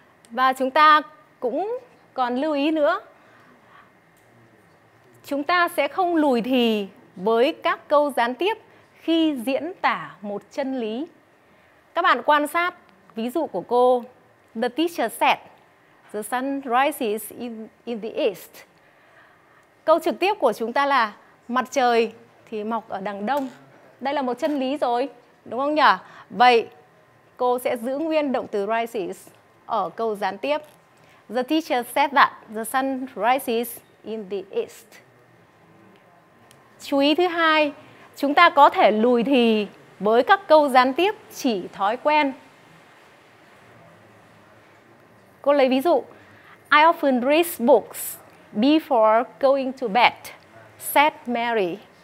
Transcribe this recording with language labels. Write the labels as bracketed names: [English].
[Vietnamese] Và chúng ta cũng còn lưu ý nữa. Chúng ta sẽ không lùi thì với các câu gián tiếp khi diễn tả một chân lý. Các bạn quan sát ví dụ của cô. [English] The teacher said, the sun rises in the east. [Vietnamese] Câu trực tiếp của chúng ta là mặt trời thì mọc ở đằng đông. Đây là một chân lý rồi, đúng không nhỉ? Vậy cô sẽ giữ nguyên động từ rises ở câu gián tiếp. [English] The teacher said that the sun rises in the east. [Vietnamese] Chú ý thứ hai, chúng ta có thể lùi thì với các câu gián tiếp chỉ thói quen. Cô lấy ví dụ. [English] I often read books before going to bed, said Mary.